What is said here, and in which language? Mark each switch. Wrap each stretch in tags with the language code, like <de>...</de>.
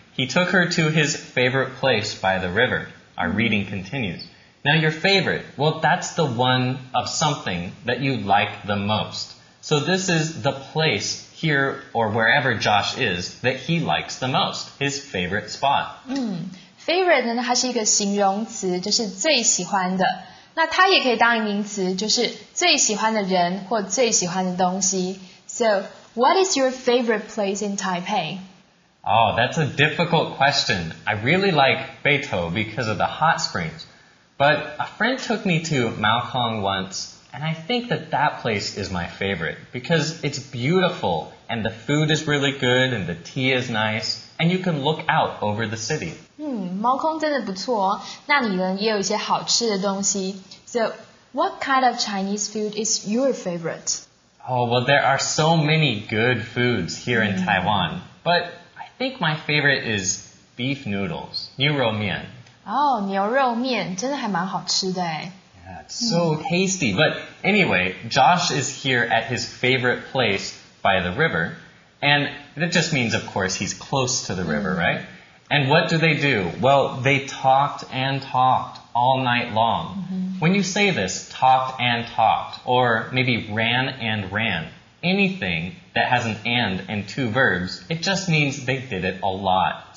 <en>He took her to his favorite place by the river. Our reading continues. Now your favorite, well that's the one of something that you like the most. So this is the place here or wherever Josh is that he likes the most, his favorite spot.</en> <zh>Favorite 呢它是一个形容词就是最喜欢的。那它也可以当一名词就是最喜欢的人或最喜欢的东西。</zh> <en>So, what is your favorite place in Taipei? Oh, that's a difficult question. I really like Beitou because of the hot springs. But a friend took me to Maokong once, and I think that that place is my favorite because it's beautiful, and the food is really good, and the tea is nice, and you can look out over the city.</en> <zh>Maokong 真的不错哦，那里呢也有一些好吃的东西。</zh> <en>So, what kind of Chinese food is your favorite? Oh, well, there are so many good foods here in Taiwan. But I think my favorite is beef noodles, 牛肉面.</en> <zh>Oh, 牛肉面真的还蛮好吃的诶。</zh> <en>Yeah, it's so tasty. But anyway, Josh is here at his favorite place by the river. And that just means, of course, he's close to the river, right? And what do they do? Well, they talked and talked. All night long. When you say this, talked and talked, or maybe ran and ran, anything that has an and two verbs, it just means they did it a lot.</en>